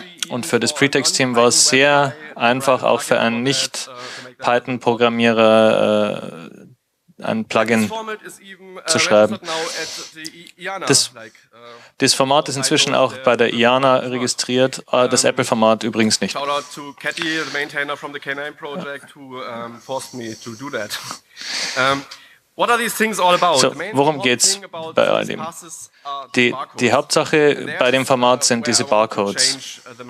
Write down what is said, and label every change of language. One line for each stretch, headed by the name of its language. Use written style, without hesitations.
German: Und für das Pretext-Team war es sehr einfach, auch für einen Nicht-Python-Programmierer ein Plugin zu schreiben. Das Format ist inzwischen auch bei der IANA registriert, das Apple-Format übrigens nicht.
English: Shoutout to Katty, the maintainer from the K9 project, who forced me to do that. What are these things all about?
German: So, worum geht's bei all dem? Die Hauptsache bei dem Format sind diese Barcodes.